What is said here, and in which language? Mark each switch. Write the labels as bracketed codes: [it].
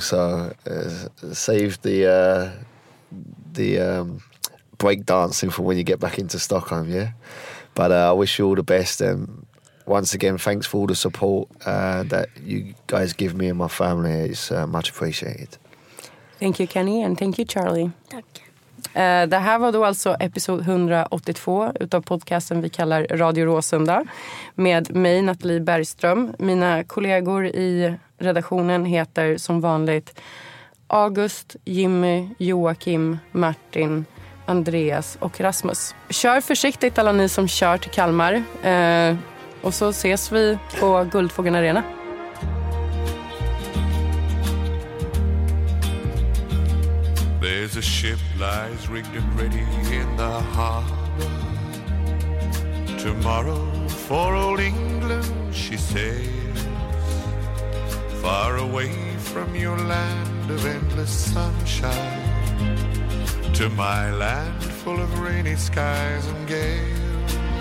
[en] So save the break dancing for when you get back into Stockholm, yeah? But I wish you all the best. And once again, thanks for all the support that you guys give me and my family. It's much appreciated. Thank you, Kenny, and thank you, Charlie. [sv] Tack. Det här var då alltså episod 182 utav podcasten vi kallar Radio Råsunda med mig, Nathalie Bergström. Mina kollegor i redaktionen heter som vanligt August, Jimmy, Joakim, Martin, Andreas och Rasmus. Kör försiktigt alla ni som kör till Kalmar, och så ses vi på Guldfågeln Arena. [en] There's a ship lies rigged and ready in the harbor. Tomorrow for old England she sails. Far away from your land of endless sunshine, to my land full of rainy skies and gales.